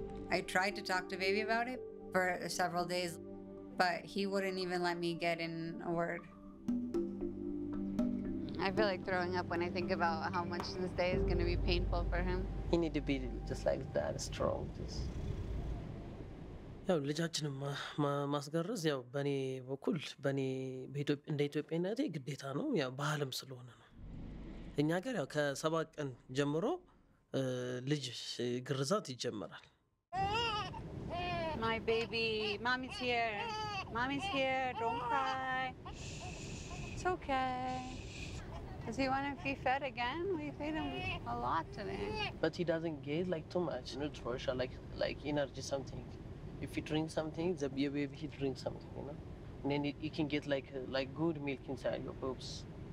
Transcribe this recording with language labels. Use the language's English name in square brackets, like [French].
[English] I tried to talk to baby about it for several days, but he wouldn't even let me get in a word. I feel like throwing up when I think about how much this day is gonna be painful for him. He need to be just like that, strong. [Amharic] Yeah, ልጃችን ማስገረዝ ያው በኔ በኩል በኔ በኢትዮጵያ እንደ ኢትዮጵያነቴ ግዴታ ነው ያው ባህልም ስለሆነ ነው እኛ ጋር ያው ከሰባት ቀን ጀምሮ ልጅ ግርዛት ይጀምራል [English] my baby mommy's here don't cry it's okay does he want to be fed again we feed him a lot today but he doesn't gain like too much nutrition like energy something if he drinks something the baby he drinks something you know and then he can get like good milk inside your boobs